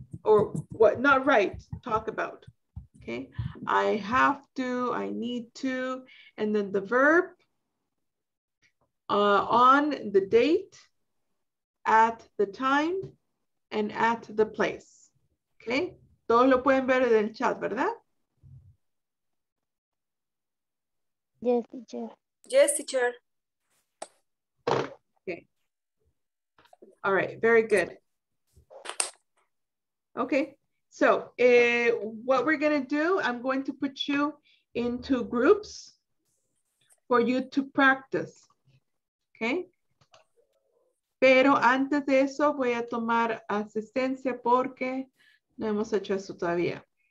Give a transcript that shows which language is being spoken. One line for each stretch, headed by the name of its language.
English: Or what, not right, talk about, okay? I have to, I need to, and then the verb on the date, at the time, and at the place, okay?
Spanish: Todos lo pueden ver en el chat, ¿verdad?
English: Yes, teacher. Okay. All right, very good. Okay, so what we're gonna do, I'm going to put you into groups for you to practice, okay?
Spanish: Pero antes de eso, voy a tomar asistencia porque no hemos hecho eso todavía.